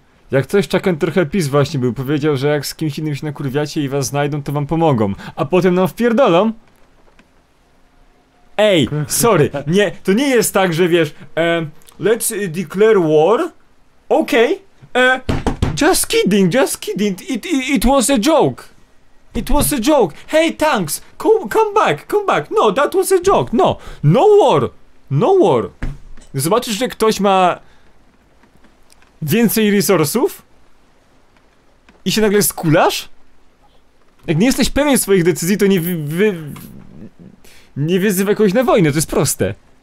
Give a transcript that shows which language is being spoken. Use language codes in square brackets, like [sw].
[pl] Jak coś Chuck and Trochę Pis właśnie był, powiedział, że jak z kimś innym się nakurwiacie i was znajdą, to wam pomogą. A potem nam wpierdolą? Ej, sorry, nie, to nie jest tak, że wiesz, [en] let's declare war. Okej, just kidding, it was a joke. It was a joke, hey tanks, come back, no, that was a joke, no war. [pl] Zobaczysz, że ktoś ma więcej resursów i się nagle skulasz? Jak nie jesteś pewien swoich decyzji, to nie wyzywaj kogoś na wojnę, to jest proste.